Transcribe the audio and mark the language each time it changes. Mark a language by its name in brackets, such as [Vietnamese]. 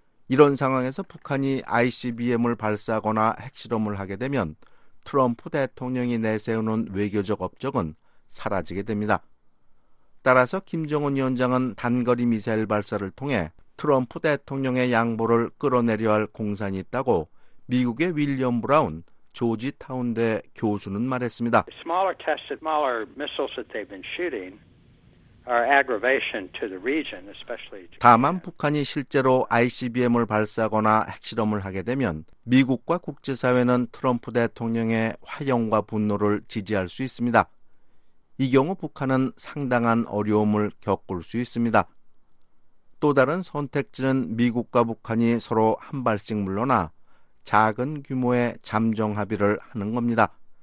[Korean] 이런 상황에서 북한이 ICBM을 발사하거나 핵실험을 하게 되면 트럼프 대통령이 내세우는 외교적 업적은 사라지게 됩니다. 따라서 김정은 위원장은 단거리 미사일 발사를 통해 트럼프 대통령의 양보를 끌어내려 할 공산이 있다고 미국의 윌리엄 브라운 조지타운대 교수는 말했습니다. [English] Smaller tests, smaller missiles that they've been shooting are aggravation to the region, especially. [Korean] 다만 북한이 실제로 ICBM을 발사하거나 핵실험을 하게 되면 미국과 국제사회는 트럼프 대통령의 화형과 분노를 지지할 수 있습니다. 이 경우 북한은 상당한 어려움을 겪을 수 있습니다. 또 다른 선택지는 미국과 북한이 서로 한 발씩 물러나 작은 규모의 잠정 합의를 하는 겁니다.